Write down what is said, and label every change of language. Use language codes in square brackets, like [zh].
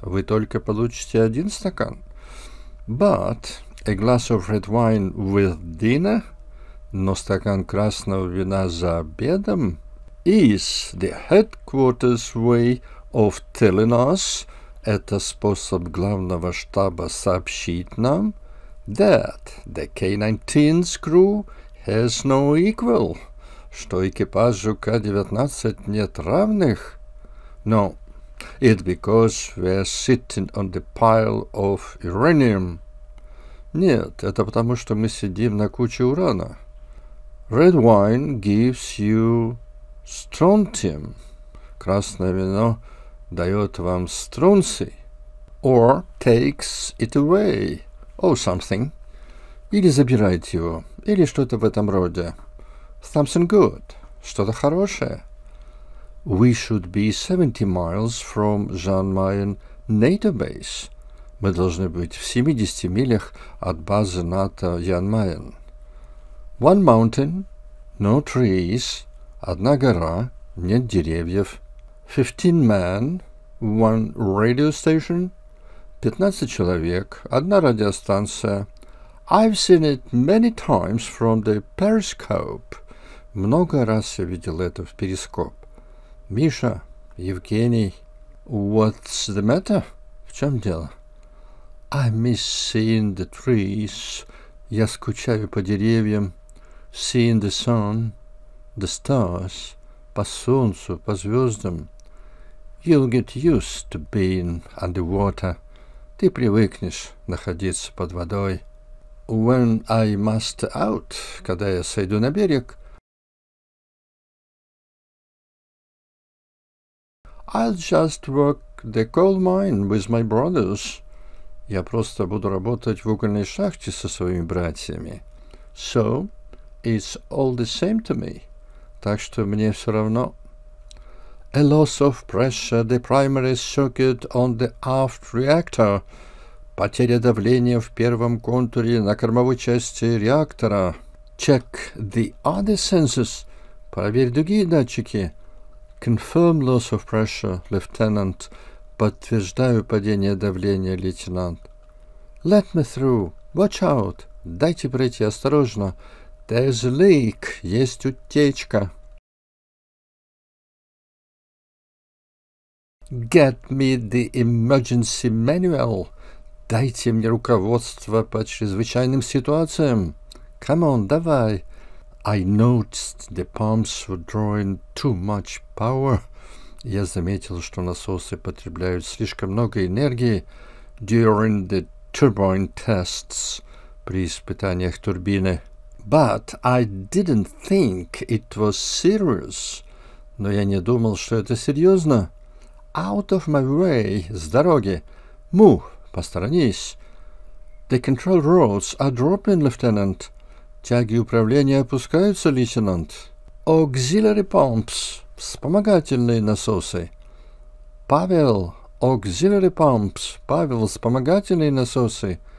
[ru] Вы только получите один стакан. [en] But a glass of red wine with dinner. [ru] Но стакан красного вина за обедом. [en] Is the headquarters way of telling us. [ru] Это способ главного штаба сообщить нам, [en] that the K-19's crew has no equal, [ru] что экипажу К-19 нет равных. [en] No, it's because we're sitting on the pile of uranium. [ru] Нет, это потому, что мы сидим на куче урана. [en] Red wine gives you strontium. [ru] Красное вино дает вам стронций, [en] or takes it away, or something, [ru] или забирает его, или что-то в этом роде. [en] Something good, [ru] что-то хорошее. [en] We should be 70 miles from Jan Mayen NATO base. [ru] Мы должны быть в 70 милях от базы НАТО Jan Mayen. [en] One mountain, no trees. [ru] Одна гора, нет деревьев. [en] 15 men. One radio station. [ru] 15 человек. Одна радиостанция. [en] I've seen it many times from the periscope. [ru] Много раз я видел это в перископ. [en] Миша, Евгений, what's the matter? [ru] В чем дело? [en] I miss seeing the trees. [ru] Я скучаю по деревьям. [en] Seeing the sun, the stars. [ru] По солнцу, по звездам. [en] You'll get used to being underwater. [ru] Ты привыкнешь находиться под водой. [en] When I must out, [ru] когда я сойду на берег. [en] I'll just work the coal mine with my brothers. [ru] Я просто буду работать в угольной шахте со своими братьями. [en] So, it's all the same to me. [ru] Так что мне все равно. [en] A loss of pressure, the primary circuit on the aft reactor. [ru] Потеря давления в первом контуре на кормовой части реактора. [en] Check the other sensors. [ru] Проверь другие датчики. [en] Confirm loss of pressure, lieutenant. [ru] Подтверждаю падение давления, лейтенант. [en] Let me through. Watch out. [ru] Дайте пройти осторожно. [en] There's a leak. [ru] Есть утечка. [en] Get me the emergency manual. [ru] Дайте мне руководство по чрезвычайным ситуациям. [en] Come on, [ru] давай. [en] I noticed the pumps were drawing too much power. [ru] Я заметил, что насосы потребляют слишком много энергии [en] during the turbine tests. [ru] При испытаниях турбины. [en] But I didn't think it was serious. [ru] Но я не думал, что это серьезно. [en] Out of my way, [ru] с дороги. [en] Move, [ru] посторонись. [en] The control rods are dropping, lieutenant. [ru] Тяги управления опускаются, лейтенант. [en] Auxiliary pumps, [ru] вспомогательные насосы. Павел, [en] auxiliary pumps, [ru] Павел, вспомогательные насосы.